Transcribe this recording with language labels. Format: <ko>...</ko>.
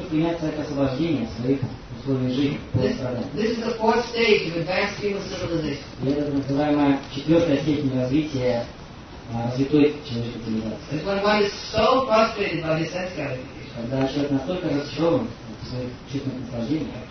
<ru>стремятся к освобождению своих условий жизни после страданий.</ru> <en>This is the fourth stage of advanced human civilization.</en> <ru>Это называемая четвертая степень развития развитой человеческой цивилизации.</ru> <en>This one is so frustrated by his sense gratification.</en> <ru>Когда человек настолько разочарован в своих чувственных наслаждениях.</ru>